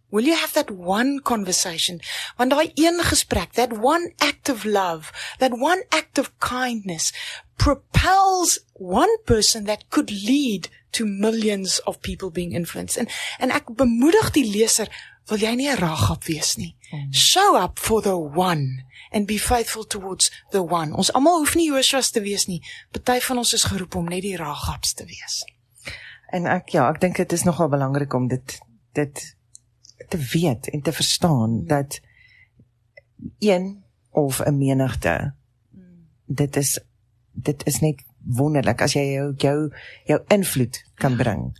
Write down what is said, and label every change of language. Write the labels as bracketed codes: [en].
[en] Will you have that one conversation? [af] Want daai een gesprek, [en] that one act of love, that one act of kindness propels one person that could lead to millions of people being influenced. [af] En ek bemoedig die leser, wil jy nie 'n Rahab wees nie? [en] Show up for the one and be faithful towards the one. [af] Ons almal hoef nie Joshua's te wees nie. Party van ons is geroep om net die Rahab's te wees. En ek, ja, ek dink dit is nogal belangrik om dit te weet en te verstaan dat een of 'n menigte dit is net wonderlik as jy jou invloed kan bring.